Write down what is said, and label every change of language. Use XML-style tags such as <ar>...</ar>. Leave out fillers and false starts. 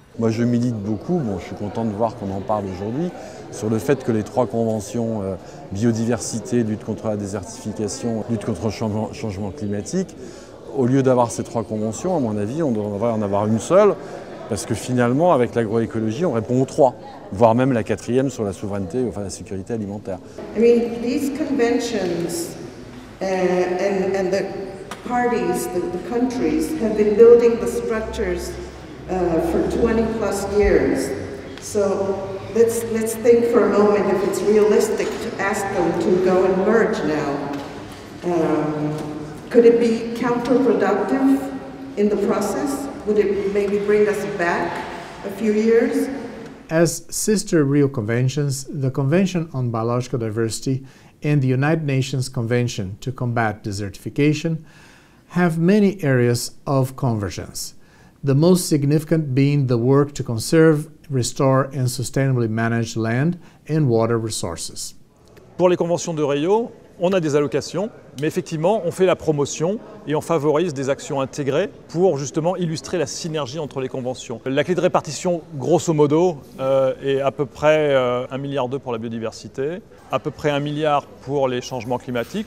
<fr>Moi, je milite beaucoup, bon, je suis content de voir qu'on en parle aujourd'hui, sur le fait que les trois conventions biodiversité, lutte contre la désertification, lutte contre le changement climatique, au lieu d'avoir ces trois conventions, à mon avis, on devrait en avoir une seule, Parce que finalement, avec l'agroécologie, on répond aux trois, voire même la quatrième sur la souveraineté, enfin la sécurité alimentaire.</fr> <en>I mean, these conventions and the parties, the countries, have been building the structures for 20 plus years. So let's think for a moment if it's realistic to ask them to go and merge now. Could it be counterproductive in the process? Would it maybe bring us back a few years? As sister Rio Conventions, the Convention on Biological Diversity and the United Nations Convention to Combat Desertification have many areas of convergence, the most significant being the work to conserve, restore and sustainably manage land and water resources.</en> <fr>Pour les conventions de Rio, on a des allocations, mais effectivement, on fait la promotion et on favorise des actions intégrées pour justement illustrer la synergie entre les conventions. La clé de répartition, grosso modo, est à peu près 1 milliard d'euros pour la biodiversité, à peu près 1 milliard pour les changements climatiques.</fr>